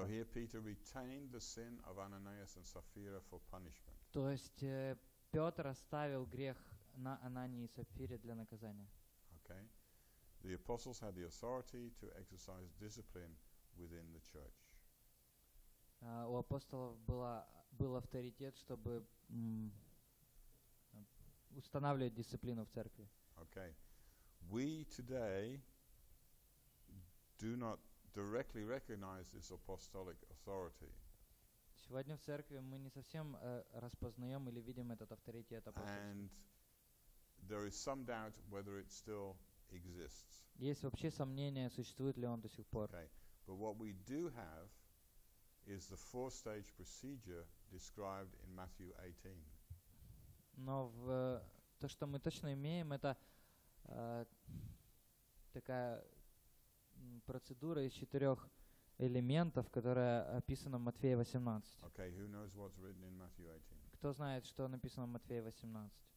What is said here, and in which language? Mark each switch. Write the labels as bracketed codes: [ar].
[en] So here Peter retained the sin of Ananias and Sapphira for punishment. [ru] То есть Петр оставил грех на Анании и Сапфире для наказания. [en] Okay. The apostles had the authority to exercise discipline within the church. [ru] У апостолов был авторитет, чтобы устанавливать дисциплину в церкви. [en] Okay. We today do not directly recognize this apostolic authority. [ru] Сегодня в церкви мы не совсем распознаем или видим этот авторитет апостолов. [en] And there is some doubt whether it still exists. [ru] Есть вообще сомнения, существует ли он до сих пор. [en] Okay. But what we do have is the four-stage procedure described in Matthew 18. [ru] Но то, что мы точно имеем, это такая процедура из четырех элементов, которая описана в Матфея 18. [en] Okay, who knows what's written in Matthew 18? [ru] Кто знает, что написано в Матфея 18?